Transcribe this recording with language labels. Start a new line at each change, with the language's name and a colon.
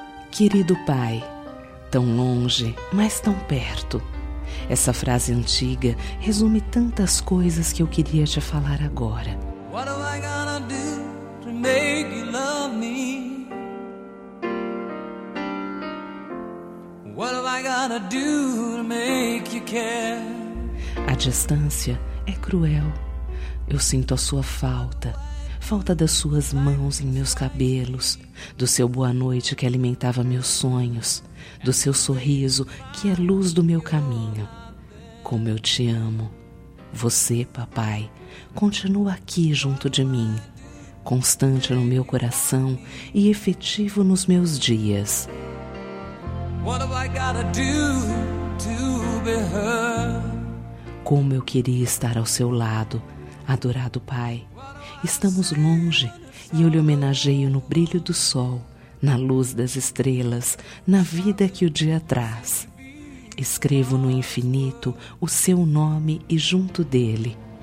Portuguese: Querido pai, tão longe, mas tão perto. Essa frase antiga resume tantas coisas que eu queria te falar agora.
English: What am I gonna do to make you love me? What am I gonna do to make you care?
Portuguese: A distância é cruel. Eu sinto a sua falta. Falta das suas mãos em meus cabelos, do seu boa noite que alimentava meus sonhos, do seu sorriso que é luz do meu caminho. Como eu te amo. Você, papai, continua aqui junto de mim, constante no meu coração e efetivo nos meus dias.
English: What have I gotta do to be heard?
Portuguese: Como eu queria estar ao seu lado, adorado pai. Estamos longe e eu lhe homenageio no brilho do sol, na luz das estrelas, na vida que o dia traz. Escrevo no infinito o seu nome e junto dele.